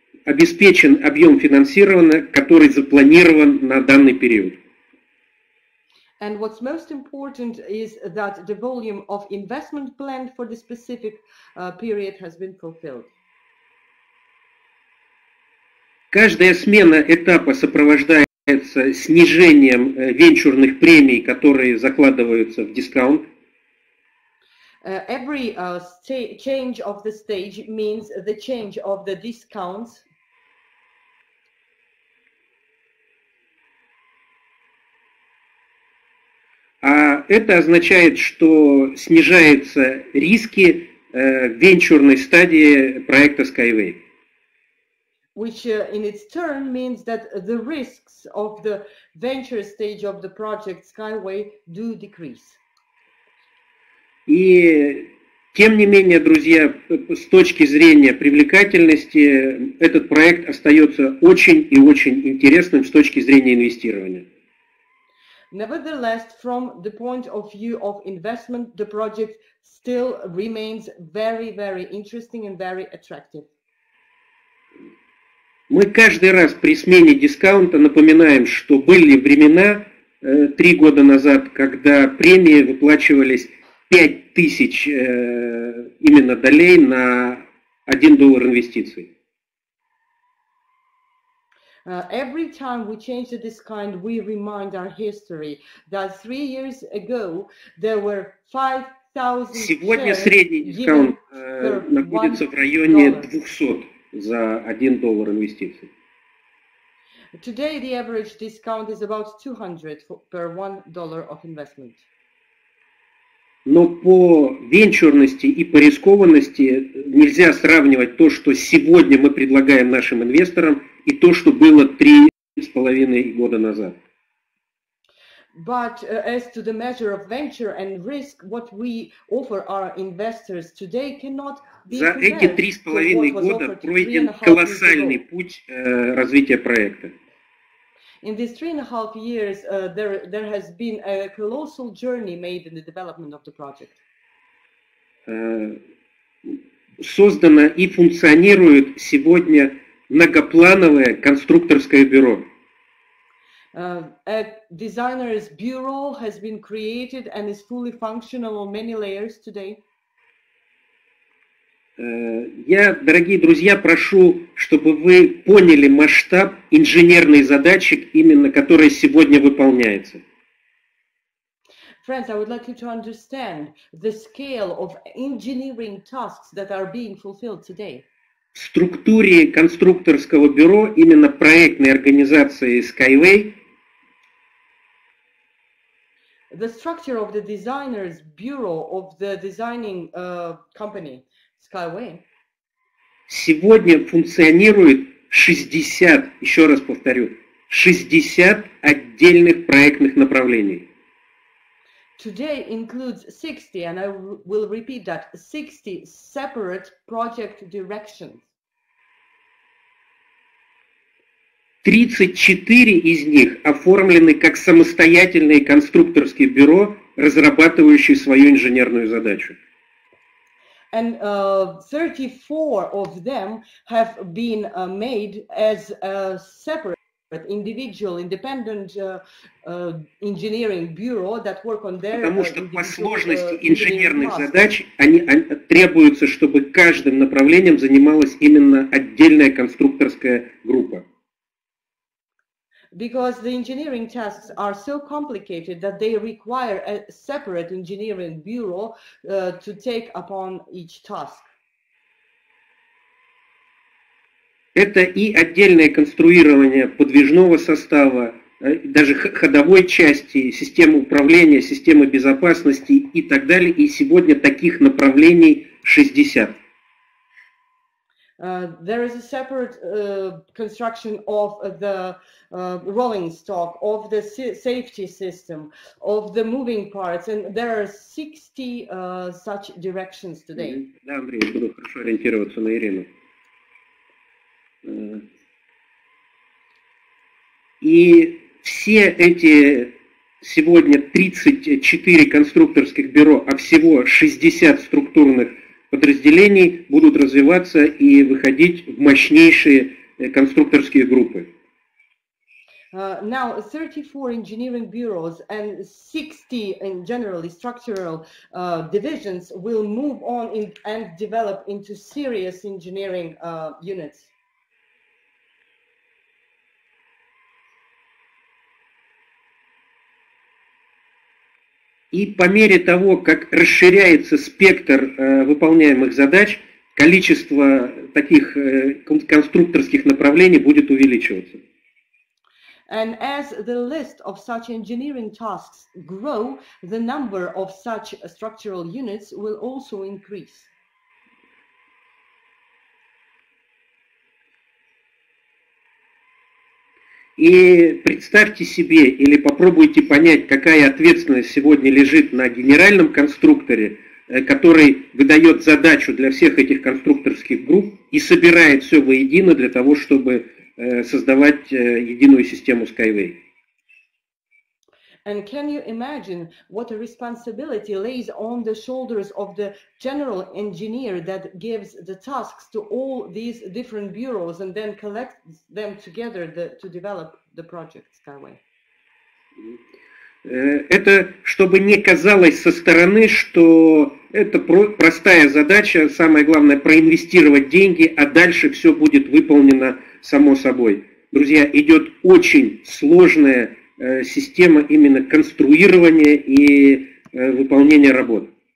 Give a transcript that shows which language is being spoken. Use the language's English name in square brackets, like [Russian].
[Russian] обеспечен объем финансирования, который запланирован на данный период. [English] And what's most important is that the volume of investment planned for the specific period has been fulfilled. [Russian] Каждая смена этапа сопровождается снижением венчурных премий, которые закладываются в дискаунт. [English] Every change of the stage means the change of the discounts. [Russian] А это означает, что снижаются риски в венчурной стадии проекта Skyway. [English] Which in its turn means that the risks of the venture stage of the project Skyway do decrease. [Russian] И тем не менее, друзья, с точки зрения привлекательности, этот проект остается очень и очень интересным с точки зрения инвестирования. [English] Nevertheless, from the point of view of investment, the project still remains very, very interesting and very attractive. [Russian] Мы каждый раз при смене дискаунта напоминаем, что были времена три года назад, когда премии выплачивались 5000 именно долей на $1 инвестиций. [English] Every time we change the discount, we remind our history that 3 years ago there were 5,000 shares. [Russian] Сегодня средний дискаунт находится в районе 200 за $1 инвестиций. [English] Today the average discount is about 200 per $1 of investment. [Russian] Но по венчурности и по рискованности нельзя сравнивать то, что сегодня мы предлагаем нашим инвесторам, и то, что было 3.5 года назад. [English] But as to the measure of venture and risk, what we offer our investors today cannot be [Russian] За эти 3.5 года пройден колоссальный путь развития проекта. [English] In these 3.5 years, there has been a colossal journey made in the development of the project. [Russian] Создано и функционирует сегодня многоплановое конструкторское бюро. [English] A designer's bureau has been created and is fully functional on many layers today. [Russian] Я, дорогие друзья, прошу, чтобы вы поняли масштаб инженерной задачи, именно которая сегодня выполняется. [English] Friends, I would like you to understand the scale of engineering tasks that are being fulfilled today. [Russian] В структуре конструкторского бюро, именно проектной организации Skyway, [English] the structure of the designer's bureau of the designing company Skyway, [Russian] сегодня функционирует 60, еще раз повторю, 60 отдельных проектных направлений. [English] Today includes 60, and I will repeat that, 60 separate project directions. [Russian] 34 из них оформлены как самостоятельные конструкторские бюро, разрабатывающие свою инженерную задачу. [English] And 34 of them have been made as a separate, individual, independent engineering bureau that work on their. [Russian] Потому что по сложности инженерных задач они требуются, чтобы каждым направлением занималась именно отдельная конструкторская группа. [English] Because the engineering tasks are so complicated that they require a separate engineering bureau to take upon each task. [Russian] Это и отдельное конструирование подвижного состава, даже ходовой части, системы управления, системы безопасности и так далее. И сегодня таких направлений 60. [English] There is a separate construction of the rolling stock, of the safety system, of the moving parts, and there are 60 such directions today. [Russian] Да, Андрей, буду хорошо ориентироваться на Ирину. И все эти сегодня 34 конструкторских бюро, а всего 60 структурных подразделений будут развиваться и выходить в мощнейшие конструкторские группы. [English] Now 34 engineering bureaus and 60 in generally structural divisions will move on in, and develop into serious engineering units. [Russian] И по мере того, как расширяется спектр выполняемых задач, количество таких конструкторских направлений будет увеличиваться. [English] And as the list of such engineering tasks grow, the number of such structural units will also increase. [Russian] И представьте себе или попробуйте понять, какая ответственность сегодня лежит на генеральном конструкторе, который выдает задачу для всех этих конструкторских групп и собирает все воедино для того, чтобы создавать единую систему Skyway. [English] And can you imagine what a responsibility lays on the shoulders of the general engineer that gives the tasks to all these different bureaus and then collects them together to develop the project Skyway? [Russian] Это чтобы не казалось со стороны, что это простая задача, самое главное проинвестировать деньги, а дальше все будет выполнено само собой. Друзья, идет очень сложная система именно конструирования и выполнения работ.